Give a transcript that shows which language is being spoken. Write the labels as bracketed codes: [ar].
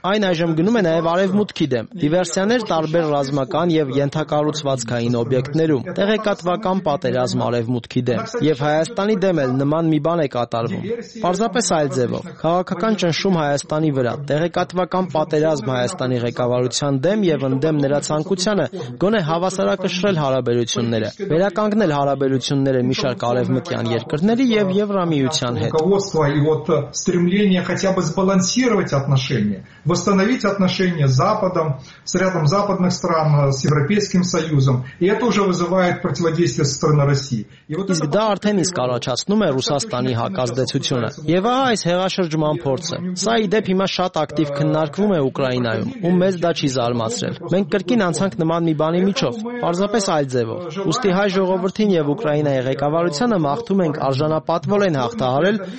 [hy] այն այժմ գնում է նաև արևմուտքի դեմ՝ դիվերսիաներ տարբեր ռազմական եւ ենթակառուցվածքային օբյեկտներում, տեղեկատվական պատերազմ արևմուտքի դեմ, եւ Հայաստանի դեմ էլ նման մի բան է կատարվում։ Պարզապես այլ ձևով, քաղաքական ճնշում Հայաստանի վրա, տեղեկատվական պատերազմ Հայաստանի ղեկավարության դեմ եւ ընդդեմ նրա ցանկությանը, գոնե հավասարակշռել հարաբերությունները, վերականգնել հարաբերությունները մի շարք արևմտյան երկրների եւ Եվրամիության հետ։ [ru] Стремление хотя бы сбалансировать отношения, восстановить отношения с Западом, с рядом западных стран, с Европейским Союзом. И это уже вызывает противоречивые взаимодействия со стороны России. [hy] Իսկ դա արդեն իսկ առաջացնում է Ռուսաստանի հակազդեցությունը։ Եվ ահա այս հեղաշրջման փորձը։ Սա իդեպ հիմա շատ ակտիվ քննարկվում է Ուկրաինայում, ու մեզ դա չի զարմացրել։ Մենք կրկին անցանք նման մի բանի միջով, պարզապես այլ ձևով։ Ուստի հայ ժողովրդին եւ Ուկրաինայի ղեկավարությանը մաղթում ենք արժանապատվորեն հաղթահարել